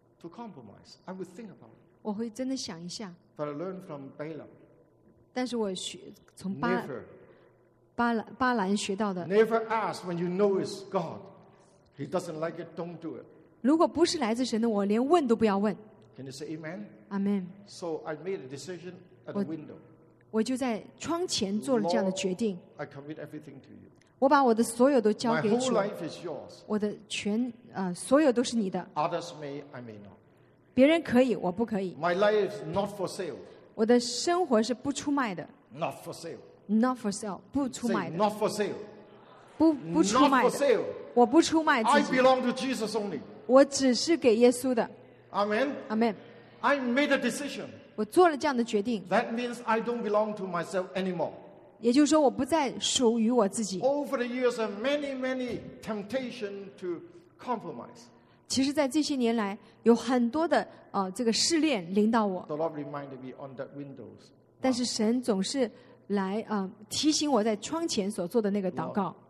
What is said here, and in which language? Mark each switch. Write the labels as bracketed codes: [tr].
[en] To compromise, I would think about it. [zh] 我会真的想一下。 [en] But I learned from Balaam. [zh] 但是我从巴兰学到的。 [en] Never ask when you know it's God. He doesn't like it, don't do it. [zh] 如果不是来自神的，我连问都不要问。 [en] Can you say Amen? Amen. So I made a decision at the window. [zh] 我就在窗前做了这样的决定。 [en] Lord, I commit everything to you. [zh] 我把我的所有都交给主。 [en] My whole life is yours. [zh] 我的全, 所有都是你的。 [en] Others may, I may not. [zh] 别人可以, 我不可以。 [en] My life is not for sale. [zh] 我的生活是不出卖的。 [en] Not for sale. Not for sale, [zh] 不出卖的。 [en] Say, not for sale. [zh] 不出卖的。 [en] Not for sale. [zh] 我不出卖自己。 [en] I belong to Jesus only. [zh] 我只是给耶稣的。 [en] Amen. Amen. I made a decision. [zh] 我做了这样的决定。 [en] That means I don't belong to myself anymore. [zh] 也就是说我不再属于我自己。 [en] Over the years, there are many, many temptations to compromise. [zh] 其实在这些年来,有很多的, 这个试炼领导我。 [en] The Lord reminded me on that window. [zh] 但是神总是来, 提醒我在窗前所做的那个祷告。